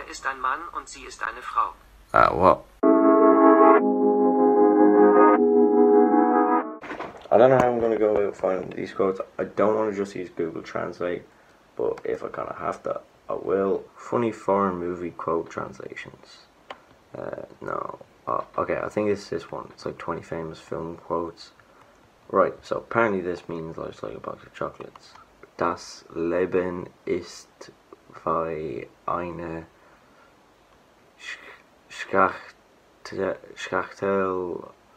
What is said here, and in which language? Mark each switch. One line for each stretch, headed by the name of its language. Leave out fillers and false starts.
German: Ist ein Mann und sie ist eine Frau.
English: What? I don't know how I'm going to go about finding these quotes. I don't want to just use Google Translate, but if I kind of have to, I will. Funny foreign movie quote translations. Okay, I think it's this one. It's like 20 famous film quotes. Right, so apparently this means like a box of chocolates.
German: Das Leben ist wie eine Schachtel.